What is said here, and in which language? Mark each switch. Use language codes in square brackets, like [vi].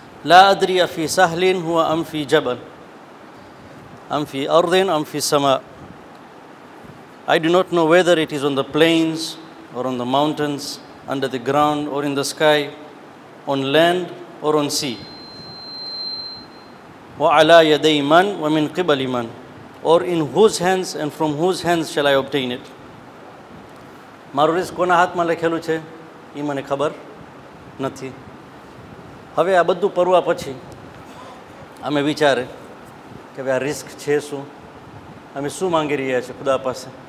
[ar] لا ادري في سهل هو ام في جبل ام في ارض ام في سماء. [en] I do not know whether it is on the plains or on the mountains, under the ground or in the sky, on land or on sea. [ar] وعلى يدي من ومن قبل من, [en] or in whose hands and from whose hands shall I obtain it. [gu] મારું risk કોના હાથમાં લખેલું છે એ મને ખબર નથી. હવે આ બધું પરવા પછી અમે વિચારે કે હવે આ રિસ્ક છે શું, અમે શું માંગી રહ્યા છીએ ખુદા પાસે.